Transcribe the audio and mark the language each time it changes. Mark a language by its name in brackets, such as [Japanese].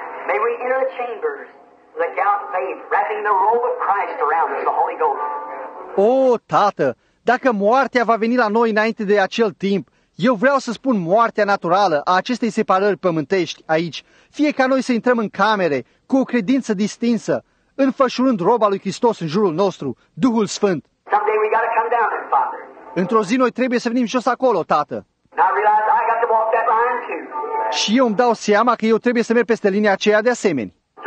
[English] May we enter the chambers, the gown of faith, wrapping the robe of Christ around us, the Holy Ghost. [Romanian] O, Tată, dacă moartea va veni la noi înainte de acel timp, eu vreau să spun moartea naturală a acestei separări pământești aici, fie ca noi să intrăm în camere cu o credință distinsă, înfășurând roba lui Hristos în jurul nostru, Duhul Sfânt. [English] Someday we gotta come down, Father. [Romanian] Într-o zi noi trebuie să venim jos acolo, Tată. [English] Now realize I got to walk that line too. [Romanian] Și eu îmi dau seama că eu trebuie să merg peste linia aceea de asemeni.